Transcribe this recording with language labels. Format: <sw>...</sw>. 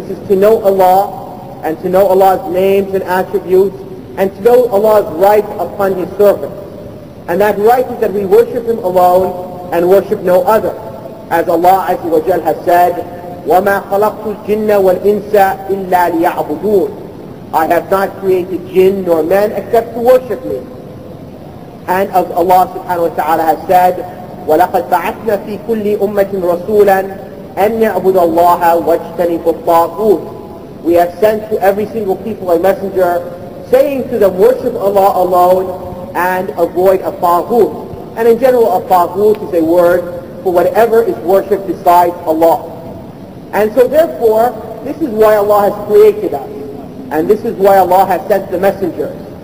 <en>And this is to know Allah, and to know Allah's names and attributes, and to know Allah's right upon his servants. And that right is that we worship him alone, and worship no other. As Allah Azza wa Jal has said,</en> <ar>وَمَا خَلَقْتُ الْجِنَّ وَالْإِنسَ إِلَّا لِيَعْبُدُونَ.</ar> <en>I have not created jinn nor men except to worship me. And as Allah subhanahu wa ta'ala has said,</en> <ar>وَلَقَدْ بَعَثْنَا فِي كُلِّ أُمَّةٍ رَسُولًا أَنْ يَعْبُدَ اللَّهَ وَاجْتَنِفُ الطَّاغُوتِ.</ar> <en>We have sent to every single people a messenger saying to them, worship Allah alone and avoid a taghut. And in general, a taghut is a word for whatever is worshipped besides Allah. And so therefore, this is why Allah has created us. And this is why Allah has sent the messengers.</en>